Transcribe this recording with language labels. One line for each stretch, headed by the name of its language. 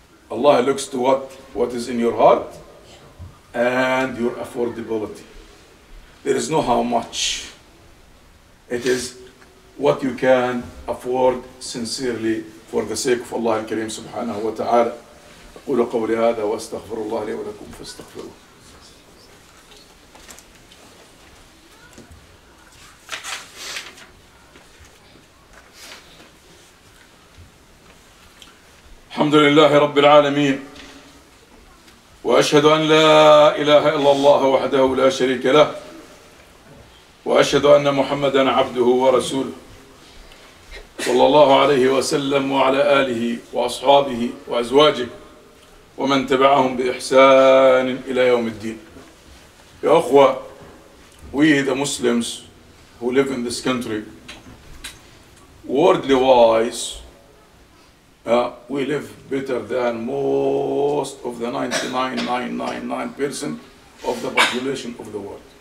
English: Allah looks to what is in your heart and your affordability. There is no how much. It is what you can afford sincerely for the sake of Allah al-Kareem subhanahu wa ta'ala.
Arabic: أقول قولي هذا واستغفر الله لي ولكم فاستغفروه. الحمد لله رب العالمين وأشهد أن لا إله إلا الله وحده لا شريك له وأشهد أن محمدًا عبده ورسوله صلى الله عليه وسلم وعلى آله وأصحابه وأزواجه ومن تبعهم بإحسان إلى يوم الدين. يا أخوة,
English: we the Muslims who live in this country, worldly wise, we live better than most of the 99.99% of the population of the world.